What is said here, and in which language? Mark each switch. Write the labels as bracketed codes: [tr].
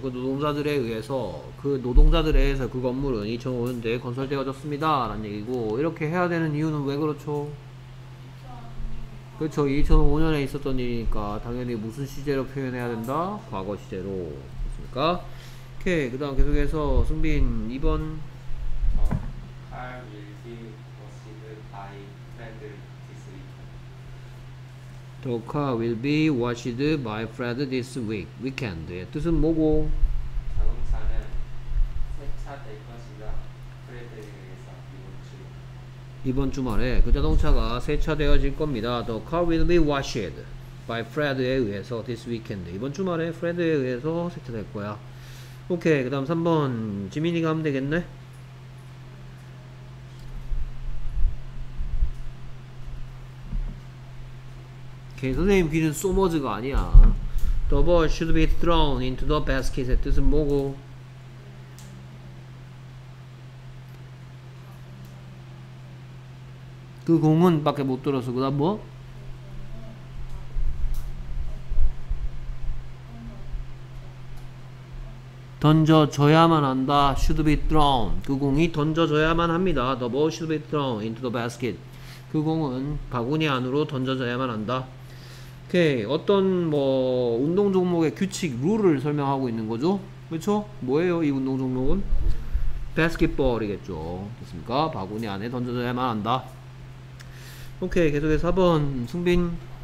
[ko] 그 노동자들에 의해서, 그 노동자들에 의해서 그 건물은 2005년대에 건설되어졌습니다. 라는 얘기고, 이렇게 해야 되는 이유는 왜 그렇죠? 그렇죠. 2005년에 있었던 일이니까, 당연히 무슨 시제로 표현해야 된다? 과거 시제로. 그렇습니까? 오케이. 그 다음 계속해서, 승빈, 2번. [en] Car will be washed by friend this week. The car will be washed by friend this week. [ko] Weekend. 예. 뜻은 뭐고? 세차될 것이다. 프레드에 의해서 이번 주. 이번 주말에 그 자동차가 세차되어질 겁니다. [en] The car will be washed by Fred에 의해서 this weekend. [ko] 이번 주말에 Fred에 의해서 세차될 거야. 오케이. 그 다음 3번. 지민이가 하면 되겠네? 오케이. 선생님 귀는 [en] so much가 아니야. The ball should be thrown into the basket [ko] 의 뜻은 뭐고? 그 공은 밖에 못 들어서 그다음 뭐? 던져줘야만 한다. [en] Should be thrown. [ko] 그 공이 던져줘야만 합니다. [en] The ball should be thrown into the basket. [ko] 그 공은 바구니 안으로 던져줘야만 한다. 오케이. 어떤 뭐 운동 종목의 규칙, 룰을 설명하고 있는 거죠? 그렇죠? 뭐예요, 이 운동 종목은? 배스켓볼이겠죠. 됐습니까? 바구니 안에 던져줘야만 한다. 오케이, 계속해서 4번, 승빈.